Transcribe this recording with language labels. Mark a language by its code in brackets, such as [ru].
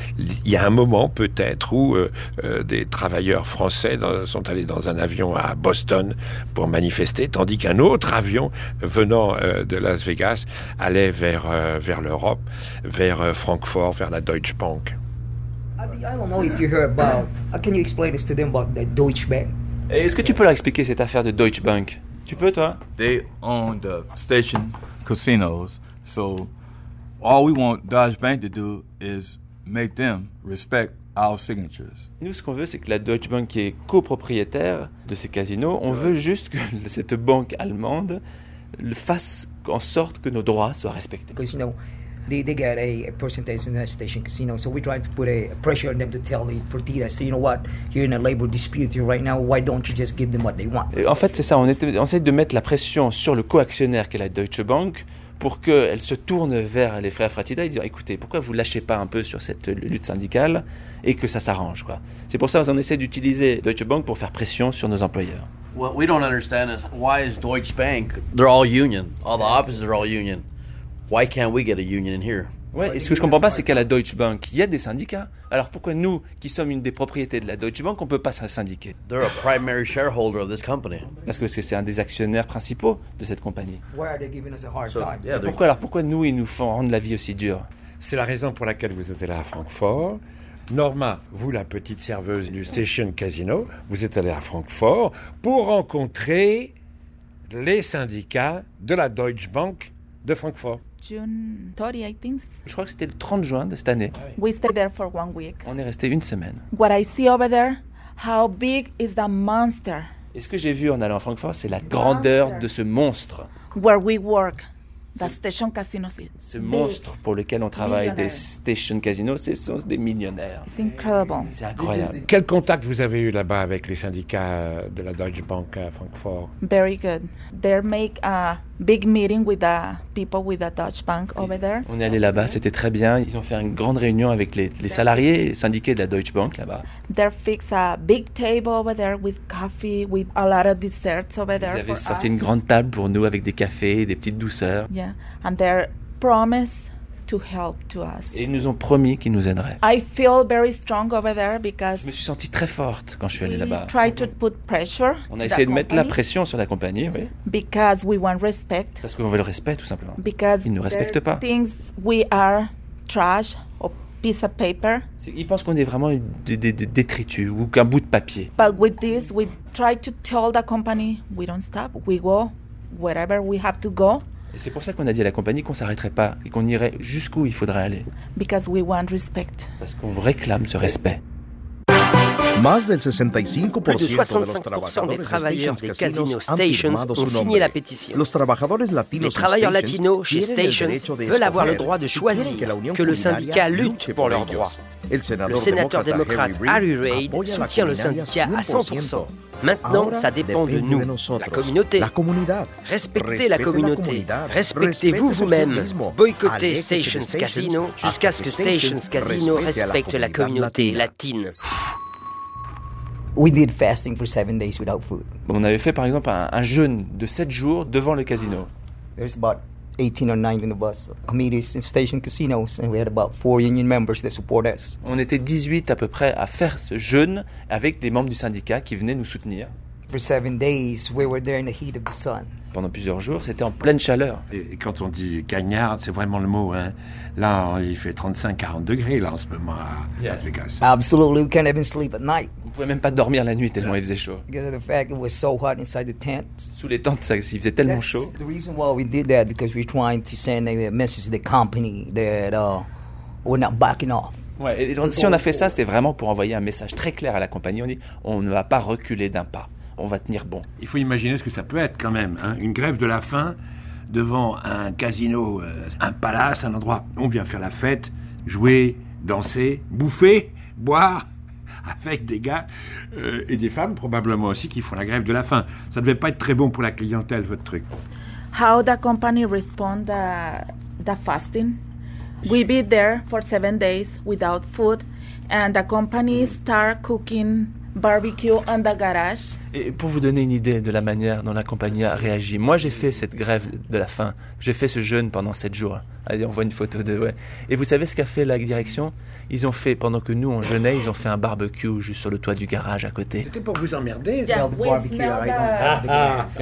[fr] Il y a un moment peut-être où des travailleurs français sont allés dans un avion à Boston pour manifester, tandis qu'un autre avion venant de Las Vegas allait vers l'Europe, vers Francfort, vers la Deutsche Bank. [en] I [fr] Est-ce que tu peux leur expliquer cette affaire de Deutsche Bank? Tu peux, toi? [en] They own the station casinos, so all we want Deutsche Bank to do is make them respect our signatures. [fr] Nous, ce qu'on veut, c'est que la Deutsche Bank, qui est copropriétaire de ces casinos, on veut juste que cette banque allemande fasse en sorte que nos droits soient respectés. [en] Because, you know, they get a percentage in the station casino, so we're trying to put a pressure on them to tell it for Tita. So you know what, you're in a labor dispute here right now, why don't you just give them what they want? [fr] Et en fait, c'est ça, on essaie de mettre la pression sur le co-actionnaire qui est la Deutsche Bank, pour qu'elle se tourne vers les frères Fratida et dire, écoutez, pourquoi vous lâchez pas un peu sur cette lutte syndicale et que ça s'arrange, quoi. C'est pour ça qu'on essaie d'utiliser Deutsche Bank pour faire pression sur nos employeurs. [en] What we don't understand is why is Deutsche Bank, they're all union, all the offices are all union. Why can't we get a union in here? [fr] Ouais, et ce que je comprends pas, c'est qu'à la Deutsche Bank, il y a des syndicats. Alors pourquoi nous, qui sommes une des propriétés de la Deutsche Bank, on peut pas se syndiquer? [en] They're a primary shareholder of this company. [fr] Parce que c'est un des actionnaires principaux de cette compagnie. [en] Why are they giving us a hard time? [fr] Pourquoi nous, ils nous font rendre la vie aussi dure? C'est la raison pour laquelle vous êtes là à Francfort. Norma, vous, la petite serveuse du Station Casino, vous êtes allée à Francfort pour rencontrer les syndicats de la Deutsche Bank de Francfort. [en] June 30, I think. [fr] Je crois que c'était le 30 juin de cette année. [en] We stayed there for 1 week. [fr] On est resté une semaine. [en] What I see over there, how big is that monster? [fr] Et ce que j'ai vu en allant à Francfort, c'est la grandeur de ce monstre. [en] Where we work, the Station Casino. [fr] Ce monstre pour lequel on travaille, des Station Casinos, ce sont des millionnaires. [en] It's incredible. [fr] C'est incroyable. Quel contact vous avez eu là-bas avec les syndicats de la Deutsche Bank à Francfort? [en] Very good. They make a big meeting with the people with the Deutsche Bank over there. [fr] On est allé là-bas, c'était très bien. Ils ont fait une grande réunion avec les salariés et syndiqués de la Deutsche Bank là-bas. [en] They fixed a big table over there with coffee, with a lot of desserts over there. [fr] Ils avaient sorti une grande table pour nous avec des cafés, des petites douceurs. [en] Yeah, and they promised to help to us. [fr] Et ils nous ont promis qu'ils nous aideraient. [en] I feel very strong over there because [fr] je me suis sentie très forte quand je suis allée là-bas. [en] Try to put pressure. [fr] On a essayé de mettre la pression sur la compagnie, oui. [en] Because we want respect. [fr] Parce qu'on veut le respect, tout simplement. [en] Because [fr] ils ne nous respectent pas. [en] Things we are trash or piece of paper. [fr] Ils pensent qu'on est vraiment des détritus ou qu'un bout de papier. [en] But with this, we try to tell the company we don't stop. We go wherever we have to go. [fr] Et c'est pour ça qu'on a dit à la compagnie qu'on ne s'arrêterait pas et qu'on irait jusqu'où il faudrait aller. [en] Because we want respect. [fr] Parce qu'on réclame ce respect. Plus de 65% des travailleurs des casinos Stations ont signé la pétition. Les travailleurs latinos chez Stations veulent avoir le droit de choisir, que le syndicat lutte pour leurs droits. Le sénateur démocrate Harry Reid soutient le syndicat à 100%. Maintenant, ça dépend de nous, la communauté. Respectez la communauté. Respectez-vous vous-même. Boycottez Stations Casino jusqu'à ce que Stations Casino respecte la communauté latine. [en] We did fasting for 7 days without food. [fr] On avait fait, par exemple, un jeûne de 7 jours devant le casino. [en] There's about 18 or 19 of us, committees in station casinos, and we had about 4 union members that support us. [fr] On était 18 à peu près à faire ce jeûne avec des membres du syndicat qui venaient nous soutenir. [en] For 7 days, we were there in the heat of the sun. [fr] Pendant plusieurs jours, c'était en pleine chaleur. Et quand on dit cagnard, c'est vraiment le mot, hein. Là, il fait 35-40 degrés là en ce moment à Las Vegas. [en] Absolutely, we can't even sleep at night. [fr] On pouvait même pas dormir la nuit tellement il faisait chaud. [en] Because of the fact it was so hot inside the tent. [fr] Sous les tentes, ça, il faisait tellement [en] That's [fr] chaud. [en] The reason why we did that because we're trying to send a message to the company that we're not backing off. [fr] Ouais, et donc, si on a fait ça, c'est vraiment pour envoyer un message très clair à la compagnie. On dit, on ne va pas reculer d'un pas. On va tenir bon. Il faut imaginer ce que ça peut être quand même, hein. Une grève de la faim devant un casino, un palace, un endroit où on vient faire la fête, jouer, danser, bouffer, boire, avec des gars et des femmes probablement aussi qui font la grève de la faim. Ça ne devait pas être très bon pour la clientèle, votre truc. [en] How the company respond to the fasting? We be there for 7 days without food and the company start cooking barbecue on the garage. [fr] Et pour vous donner une idée de la manière dont la compagnie a réagi, moi j'ai fait cette grève de la faim, j'ai fait ce jeûne pendant 7 jours. Allez, on voit une photo de... Ouais. Et vous savez ce qu'a fait la direction? Ils ont fait, pendant que nous on jeûnait, ils ont fait un barbecue juste sur le toit du garage à côté. C'était pour vous emmerder, ce barbecue.